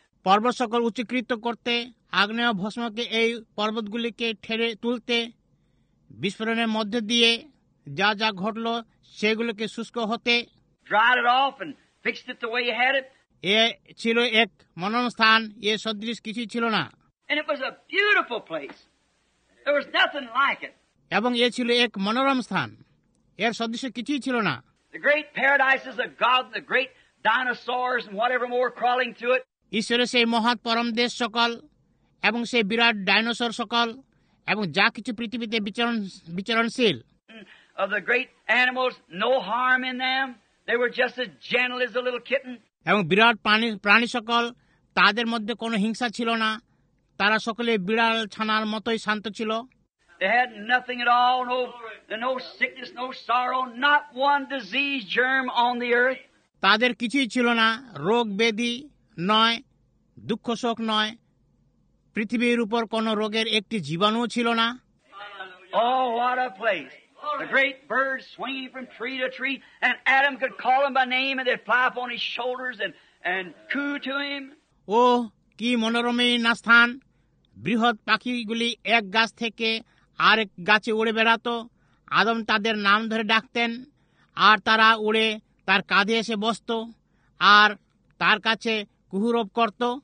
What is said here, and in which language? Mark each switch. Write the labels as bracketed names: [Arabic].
[Bangla] পর্বত সকল উচ্চকৃত করতে, আগ্নেয় ভস্মকে এই পর্বতগুলিকে ঠেলে তুলতে, বিস্ফোরণের মধ্য দিয়ে যা যা ঘটল সেগুলোকে শুষ্ক হতে। [English] Dried it off and fixed it the way you had it. [Bangla] এ ছিল এক মনোরম স্থান, এ সদৃশ কিছু ছিল না। [English] And it was a beautiful place. There was nothing like it. [Bangla] এবং এ ছিল এক মনোরম স্থান, এর সদৃশ কিছু ছিল না। [English] The great paradises of God, the great dinosaurs and whatever more crawling through it. [Bangla] ঈশ্বরের সেই মহৎ পরম দেশ সকল এবং সেই বিরাট ডাইনোসর সকল এবং যা কিছু পৃথিবীতে বিচরণশীল। [English] Of the great animals, no harm in them. They were just as gentle as a little kitten. [Bangla] এবং বিরাট প্রাণী সকল তাদের মধ্যে কোনো হিংসা ছিল না, তারা সকলে বিড়াল ছানার মতোই শান্ত ছিল। [English] They had nothing at all, no sickness, no sorrow, not one disease germ on the earth. [Bangla] তাদের কিছুই ছিল না, রোগ ব্যাধি নয়, দুঃখ শোক নয়, পৃথিবীর উপর কোন রোগের একটি জীবাণুও ছিল না। [English] Oh, what a place. The great birds swinging from tree to tree, and Adam could call them by name, and they'd fly up on his shoulders and coo to him. [Bangla] Oh, কি মনোরমী না স্থান, বৃহৎ পাখিগুলি এক গাছ থেকে আর এক গাছে উড়ে বেড়াত, আদম তাদের নাম ধরে ডাকতেন আর তারা উড়ে তার কাঁধে এসে বসত আর তার কাছে কুহুরব করত।